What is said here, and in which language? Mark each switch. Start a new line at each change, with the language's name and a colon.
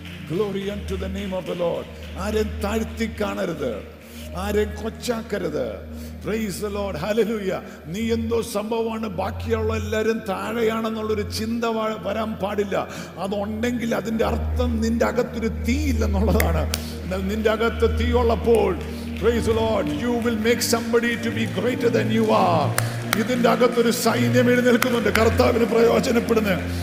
English: Glory unto the name of the Lord.
Malayalam: ആരും താഴ്ത്തി കാണരുത്, ആരും കൊച്ചാക്കരുത്.
English: Praise the Lord. Hallelujah.
Malayalam: നീ എന്തോ സംഭവമാണ്, ബാക്കിയുള്ള എല്ലാവരും താഴെയാണെന്നുള്ളൊരു ചിന്ത വരാൻ പാടില്ല. അതുണ്ടെങ്കിൽ അതിന്റെ അർത്ഥം നിന്റെ അകത്തൊരു തീ ഇല്ലെന്നുള്ളതാണ്. എന്നാൽ നിന്റെ അകത്ത് തീ ഉള്ളപ്പോൾ
English: Praise the Lord. You will make somebody to be greater than you are.
Malayalam: ഇതിന്റെ അകത്തൊരു സൈന്യം എഴുന്നേൽക്കുന്നുണ്ട്, കർത്താവിന് പ്രയോജനപ്പെടുന്നു.